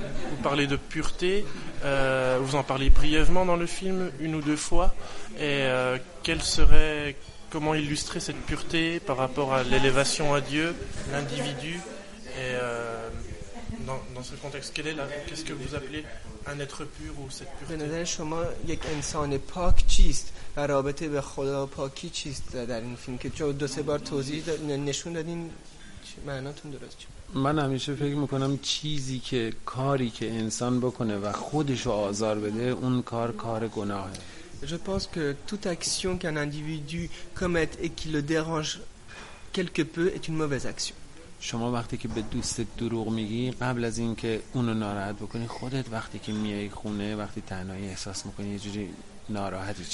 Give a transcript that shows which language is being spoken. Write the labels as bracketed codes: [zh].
[fr] Vous parlez de pureté. Vous en parlez brièvement dans le film, une ou deux fois. Et quelle serait... Comment illustrer cette pureté par rapport à l'élévation à Dieu, l'individu, et dans ce contexte, qu'est-ce que vous appelez un être pur ou cette pureté? [fa] به نظر شما یک انسان پاک چیست و رابطه به خدا پاکی چیست در این فیلم که چون دو سه بار توضیح نشون دادین معناتون درست چیه؟ من همیشه فکر میکنم چیزی که کاری که انسان بکنه و خودشو آزار بده، اون کار گناهه. [fr] Je pense que toute action qu'un individu commette et qui le dérange quelque peu est une mauvaise action. [fa] شما وقتی که به دوستت دروغ میگی، قبل از اینکه اونو ناراحت بکنی، خودت وقتی که میای خونه، وقتی تنهایی احساس میکنی، یه جوری ناراحتی.